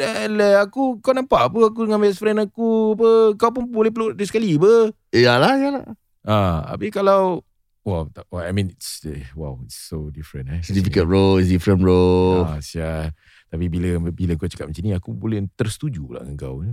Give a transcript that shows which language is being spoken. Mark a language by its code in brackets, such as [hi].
[ms] Alah, aku, kau nampak apa aku dengan best friend aku apa? Kau pun boleh peluk dia sekali apa? Iyalah. Habis kalau, [en] I mean, it's so different eh. Difficult bro, it's different bro. [ms] Siap. Tapi bila kau cakap macam ni, aku boleh tersetuju lah dengan kau.